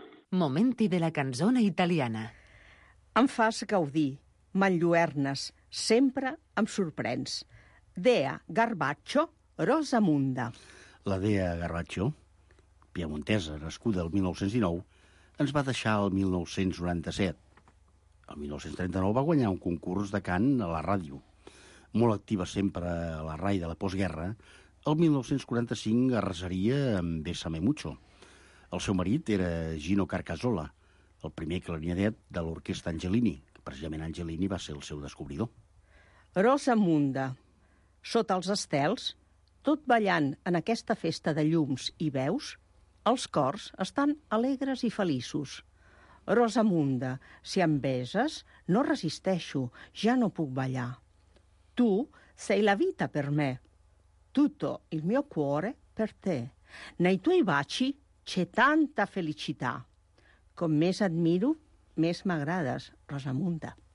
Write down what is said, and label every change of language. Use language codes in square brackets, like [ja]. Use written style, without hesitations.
[it] Momenti della canzone italiana. [ca] Em fas gaudir, m'enlluernes, sempre em sorprens. Dea Garbaccio, Rosamunda. La Dea Garbaccio, piemontesa, nascuda el 1909, ens va deixar el 1997. El 1939 va guanyar un concurs de cant a la ràdio. Molt activa sempre a la RAI de la postguerra, el 1945 arrasaria amb Bésame Mucho. El seu marit era Gino Carcasola, el primer clarinet de l'orquestra Angelini. Precisament Angelini va ser el seu descobridor. Rosamunda, sota els estels, tot ballant en aquesta festa de llums i veus, els cors estan alegres i feliços. Rosamunda, si em beses, no resisteixo, ja no puc ballar. [it] Tu sei la vita per me. tutto il mio cuore per te. Nei tuoi baci c'è tanta felicità. [ca] Com més admiro, més m'agrades, Rosamunda.